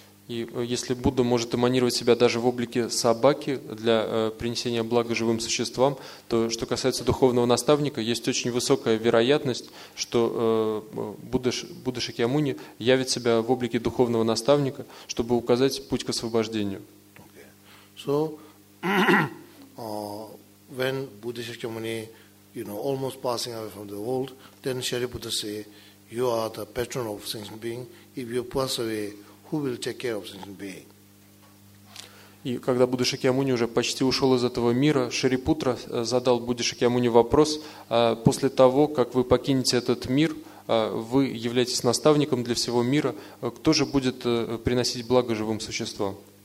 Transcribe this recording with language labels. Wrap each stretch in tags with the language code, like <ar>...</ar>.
<ru>И если Будда может эманировать себя даже в облике собаки для принесения блага живым существам, то что касается духовного наставника, есть очень высокая вероятность, что Будда Шакьямуни явит себя в облике духовного наставника, чтобы указать путь к освобождению.</ru> <en>Okay. So, when Buddha Shakyamuni, almost passing away from the world, then Shariputta say, you are the patron of sentient being. If you pass away, who will take care of sentient being?</en> <ru>И когда Будда Шакьямуни уже почти ушел из этого мира, Шарипутра задал Будде Шакьямуни вопрос: после того, как вы покинете этот мир, вы являетесь наставником для всего мира, кто же будет приносить благо живым существам?</ru>